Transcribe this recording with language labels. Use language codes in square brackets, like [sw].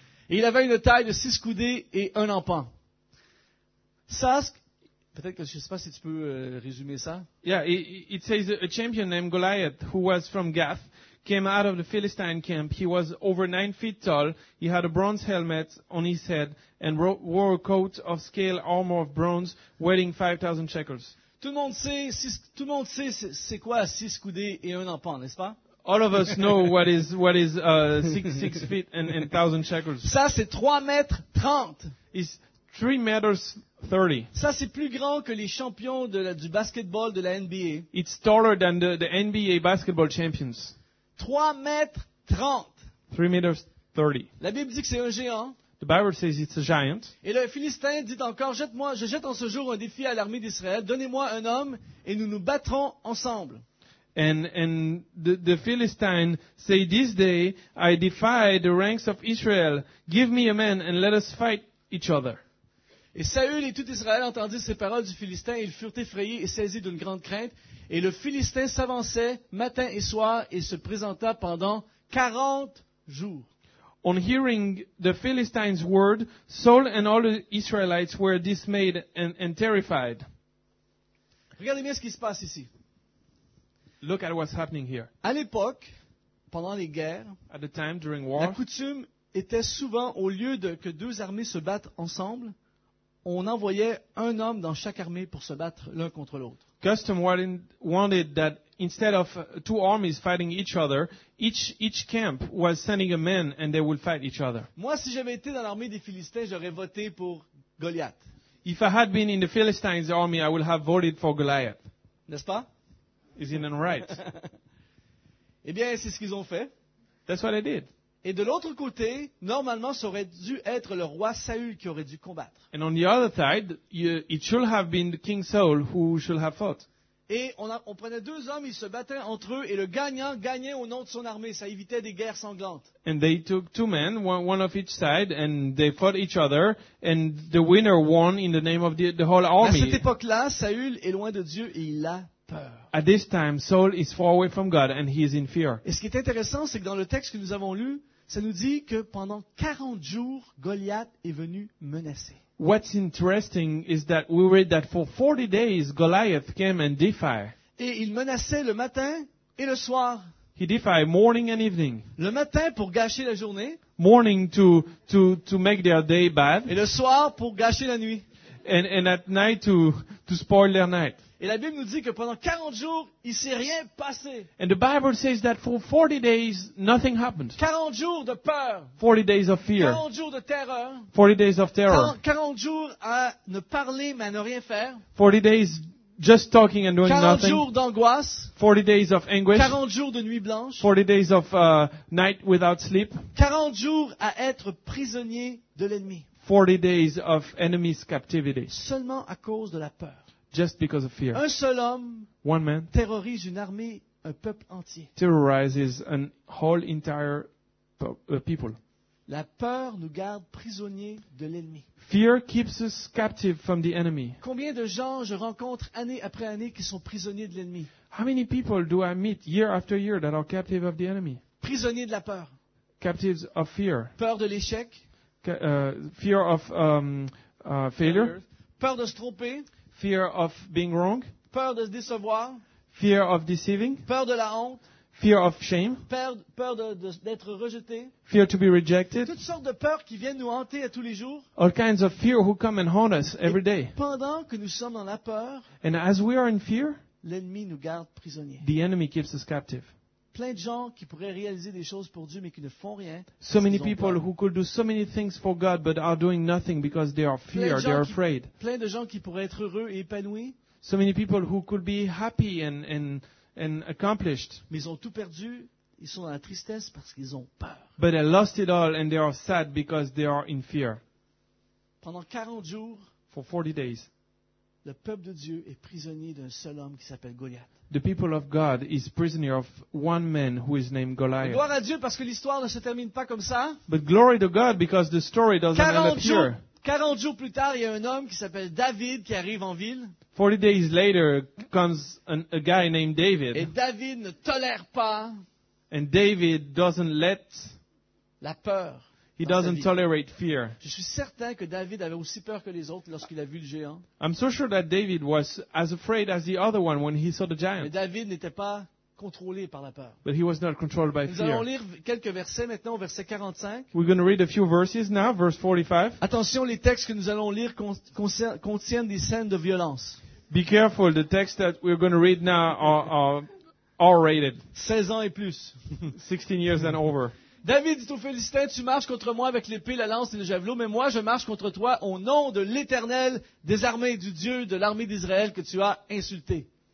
[fr] Et il avait une taille de 6 coudées et un empan. Peut-être que je ne sais pas si tu peux résumer ça. [en] Yeah, it says a champion named Goliath, who was from Gath, came out of the Philistine camp. He was over 9 feet tall. He had a bronze helmet on his head and wore a coat of scale armor of bronze, weighing 5,000 shekels. [fr] Tout le monde sait c'est quoi 6 coudées et un empan, n'est-ce pas? [en] All of us know what is 6 feet and 1,000 shekels. [fr] Ça, c'est 3 mètres 30. [en] It's 3 meters 30. [fr] Ça, c'est plus grand que les champions du basketball de la NBA. [en] It's taller than the NBA basketball champions. [fr] 3 mètres 30. [en] 3 meters 30. [fr] La Bible dit que c'est un géant. [en] The Bible says it's a giant. [fr] Et le Philistin dit encore, je jette en ce jour un défi à l'armée d'Israël. Donnez-moi un homme et nous nous battrons ensemble. [en] And the Philistine say, this day I defy the ranks of Israel. Give me a man and let us fight each other. [fr] Et Saül et tout Israël entendirent ces paroles du Philistin, et ils furent effrayés et saisis d'une grande crainte. Et le Philistin s'avançait matin et soir et se présenta pendant 40 jours. [en] On hearing the Philistine's word, Saul and all the Israelites were dismayed and terrified. [fr] Regardez bien ce qui se passe ici. [en] Look at what's happening here. [fr] À l'époque, pendant les guerres, [en] at the time, during war, [fr] la coutume était souvent, au lieu de que deux armées se battent ensemble, on envoyait un homme dans chaque armée pour se battre l'un contre l'autre. [en] Custom wanted that instead of two armies fighting each other, each camp was sending a man and they would fight each other. [fr] Moi, si j'avais été dans l'armée des Philistins, j'aurais voté pour Goliath. [en] If I had been in the Philistines' army, I would have voted for Goliath. [fr] N'est-ce pas? [en] Isn't it right? [fr] Eh bien, c'est ce qu'ils ont fait. [en] That's what they did. [fr] Et de l'autre côté, normalement, ça aurait dû être le roi Saül qui aurait dû combattre. [en] And on the other side, it should have been the king Saul who should have fought. [fr] Et on prenait deux hommes, ils se battaient entre eux, et le gagnant gagnait au nom de son armée. Ça évitait des guerres sanglantes. [en] And they took two men, one of each side, and they fought each other, and the winner won in the name of the whole army. [fr] À cette époque-là, Saül est loin de Dieu et il a peur. [en] At this time, Saul is far away from God and he is in fear. [fr] Et ce qui est intéressant, c'est que dans le texte que nous avons lu, ça nous dit que pendant 40 jours, Goliath est venu menacer. [en] What's interesting is that we read that for 40 days, Goliath came and defied. [fr] Et il menaçait le matin et le soir. [en] He defied morning and evening. [fr] Le matin pour gâcher la journée. [en] Morning to make their day bad. [fr] Et le soir pour gâcher la nuit. [en] And at night to spoil their night. [fr] Et la Bible nous dit que pendant 40 jours, il ne s'est rien passé. [en] And the Bible says that for 40 days, nothing happened. [fr] 40 jours de peur. [en] 40 days of fear. [fr] 40 jours de terreur. [en] 40 days of terror. [fr] 40 jours à ne parler mais à ne rien faire. [en] 40 days just talking and doing [fr] 40 [en] nothing. [fr] 40 jours d'angoisse. [en] 40 days of anguish. [fr] 40 jours de nuit blanche. [en] 40 days of night without sleep. [fr] 40 jours à être prisonnier de l'ennemi. [en] 40 days of enemy's captivity. [fr] Seulement à cause de la peur. [en] Just because of fear. [fr] Un seul homme, [en] one man, [fr] terrorise une armée, un peuple entier. [en] Terrorizes an whole entire people. [fr] La peur nous garde prisonniers de l'ennemi. [en] Fear keeps us captive from the enemy. [fr] Combien de gens je rencontre année après année qui sont prisonniers de l'ennemi? [en] How many people do I meet year after year that are captive of the enemy? [fr] Prisonniers de la peur. [en] Captives of fear. [fr] Peur de l'échec. [en] Fear of failure. [fr] Peur de se tromper. [en] Fear of being wrong. [fr] Peur de se décevoir. [en] Fear of deceiving. [fr] Peur de la honte. [en] Fear of shame. [fr] Peur d'être rejeté. [en] Fear to be rejected. [fr] Toutes sortes de peurs qui viennent nous hanter à tous les jours. [en] All kinds of fear who come and haunt us every day. [fr] Pendant que nous sommes dans la peur, [en] and as we are in fear, [fr] l'ennemi nous garde prisonniers. [en] The enemy keeps us captive. [fr] Plein de gens qui pourraient réaliser des choses pour Dieu mais qui ne font rien. [en] So many people who could do so many things for God but are doing nothing because they are fear, they are afraid. [fr] Plein de gens qui pourraient être heureux et épanouis. [en] So many people who could be happy and accomplished. [fr] Mais ils ont tout perdu, ils sont dans la tristesse parce qu'ils ont peur. [en] But they lost it all and they are sad because they are in fear. [fr] Pendant 40 jours, [en] for 40 days, [fr] Le peuple de Dieu est prisonnier d'un seul homme qui s'appelle Goliath. [en] The people of God is prisoner of one man who is named Goliath. [fr] Gloire à Dieu parce que l'histoire ne se termine pas comme ça. [en] But glory to God because the story doesn't end up here. [fr] 40 jours plus tard, il y a un homme qui s'appelle David qui arrive en ville. [en] 40 days later comes a guy named David. [fr] Et David ne tolère pas. [en] And David doesn't let [fr] la peur. [en] He doesn't tolerate fear. [fr] Je suis certain que David avait aussi peur que les autres lorsqu'il a vu le géant. [en] I'm so sure that David was as afraid as the other one when he saw the giant. [fr] Mais David n'était pas contrôlé par la peur. [en] But he was not controlled by [fr] Nous [en] fear. [fr] Nous allons lire quelques versets maintenant, verset 45. [en] We're going to read a few verses now, verse 45. [fr] Attention, les textes que nous allons lire contiennent des scènes de violence. [en] Be careful, the text that we're going to read now are R-rated. [fr] 16 ans et plus. [en] 16 years and over. [fr] David dit aux Philistins, tu marches contre moi avec l'épée, la lance et le javelot, mais moi je marche contre toi au nom de l'Éternel, des armées, du Dieu de l'armée d'Israël que tu as insulté.